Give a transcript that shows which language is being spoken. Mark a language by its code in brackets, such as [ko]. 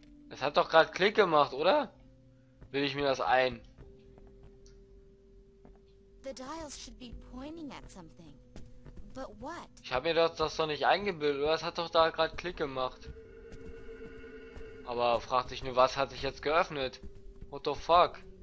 [de] Es hat doch gerade Klick gemacht, oder? Bilde ich mir das ein. [en] The dials should be pointing at something. But what? [de] Ich habe mir das doch nicht eingebildet, oder? Es hat doch da gerade Klick gemacht. Aber frag dich nur, was hat sich jetzt geöffnet? [en] What the fuck?